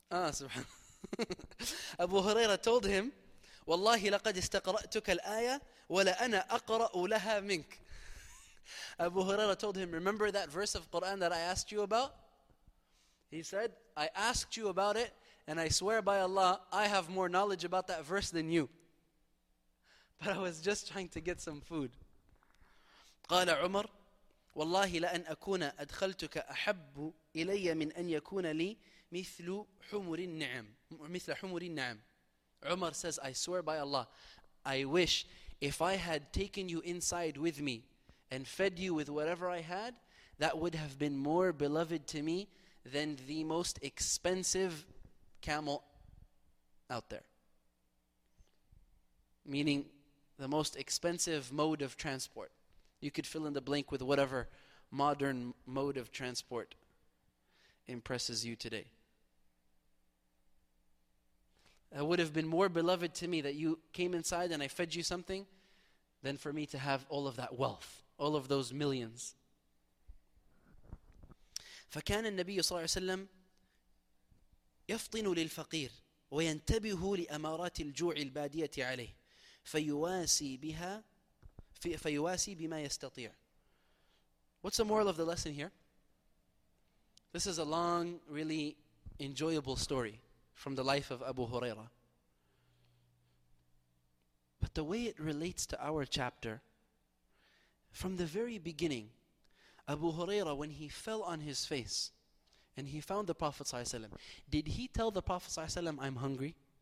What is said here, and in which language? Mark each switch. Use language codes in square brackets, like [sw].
[ar] سبحان أبو هريرة [en] told him [ar] والله لقد استقرأتك الآية ولا أنا أقرأ لها منك. [en] Abu Huraira told him, remember that verse of Quran that I asked you about? He said, I asked you about it, and I swear by Allah, I have more knowledge about that verse than you. But I was just trying to get some food. [ar] قال عمر, والله لأن أكون أدخلتك أحب إلي من أن يكون لي مثل حمر النعم. مثل حمر النعم. [en] Umar says, I swear by Allah, I wish if I had taken you inside with me and fed you with whatever I had, that would have been more beloved to me than the most expensive camel out there. Meaning, the most expensive mode of transport. You could fill in the blank with whatever modern mode of transport impresses you today. That would have been more beloved to me that you came inside and I fed you something than for me to have all of that wealth. All of those millions. [ar] فكان النبي صلى الله عليه وسلم يفطن للفقير وينتبه لأمارات الجوع البادية عليه فيواسي بها فيواسي بما يستطيع. [en] What's the moral of the lesson here? This is a long, really enjoyable story from the life of Abu Huraira. But the way it relates to our chapter, from the very beginning, Abu Huraira, when he fell on his face and he found the Prophet ﷺ, did he tell the Prophet ﷺ, I'm hungry?